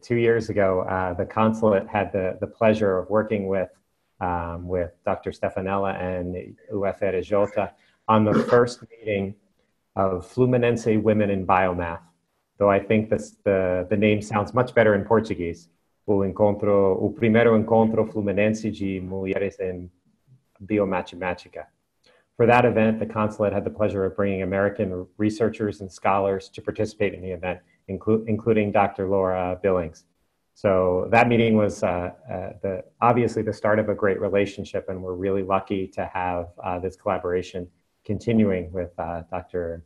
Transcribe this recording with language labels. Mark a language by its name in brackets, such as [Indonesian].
[English] 2 years ago, the consulate had the pleasure of working with Dr. Stefanella and UFRJ on the first meeting of Fluminense Women in Biomath. Though I think the name sounds much better in Portuguese. [Portuguese] O primeiro encontro Fluminense de Mulheres em Biomatemática. [English] For that event, the consulate had the pleasure of bringing American researchers and scholars to participate in the event, including Dr. Lora Billings. So that meeting was obviously the start of a great relationship, and we're really lucky to have this collaboration continuing with Dr.